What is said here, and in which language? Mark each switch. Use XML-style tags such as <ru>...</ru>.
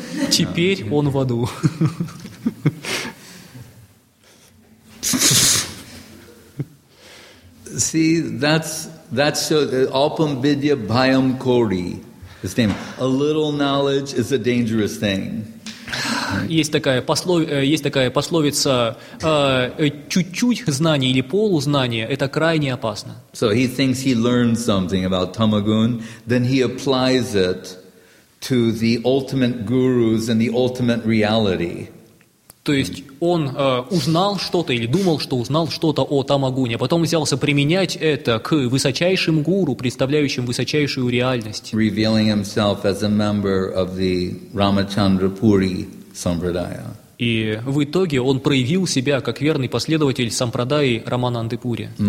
<ru>Теперь он в аду.</ru> <en>See, that's so Alpam Vidya Bhayam Kori, his name. A little knowledge is a dangerous thing.</en> <ru>Есть такая пословица, чуть-чуть знания или полузнания – это крайне опасно.</ru> <en>So he thinks he learned something about Tamagun, then he applies it to the ultimate gurus and the ultimate reality.</en> <ru>То есть он узнал что-то или думал, что узнал что-то о Тамагуне, потом взялся применять это к высочайшим гуру, представляющим высочайшую реальность.</ru> <en>Revealing himself as a member of the Рамачандрапури Сампрадая.</en> <ru>И в итоге он проявил себя как верный последователь Сампрадаи Раманандапури.</ru>